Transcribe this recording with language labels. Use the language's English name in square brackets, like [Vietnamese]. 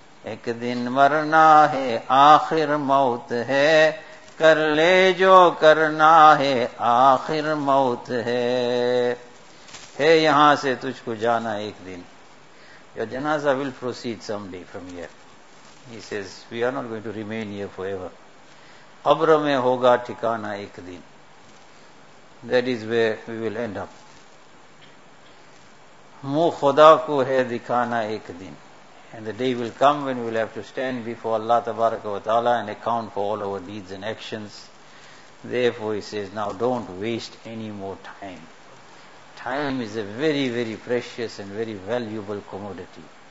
[Urdu] ایک دن مرنا ہے آخر موت ہے, کر لے جو کرنا ہے آخر موت ہے. ہے یہاں سے تجھ کو جانا ایک دن. [English] Your janaza will proceed someday from here. He says, we are not going to remain here forever. [Urdu] قبر میں ہوگا ٹھکانہ ایک دن. [English] That is where we will end up. [Urdu] منہ خدا کو ہے دکھانا ایک دن. [English] And the day will come when we will have to stand before Allah تبارک و تعالی and account for all our deeds and actions. Therefore he says, now don't waste any more time. Time is a very very precious and very valuable commodity.